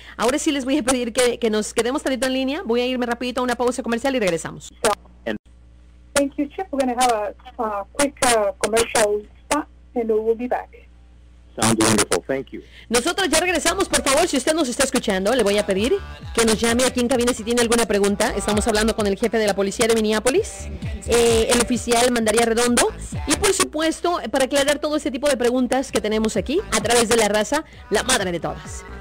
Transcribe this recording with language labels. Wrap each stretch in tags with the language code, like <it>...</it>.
<es>Ahora sí les voy a pedir que nos quedemos tantito en línea. Voy a irme rapidito a una pausa comercial y regresamos.</es> <en>Thank you, Chief. We're going to have a quick commercial spot and we'll be back. Sounds wonderful. Thank you.</en> <es>Nosotros ya regresamos. Por favor, si usted nos está escuchando, le voy a pedir que nos llame aquí en cabina si tiene alguna pregunta. Estamos hablando con el jefe de la policía de Minneapolis, el oficial Mandaría Redondo. Y, por supuesto, para aclarar todo este tipo de preguntas que tenemos aquí, a través de La Raza, la madre de todas.</es>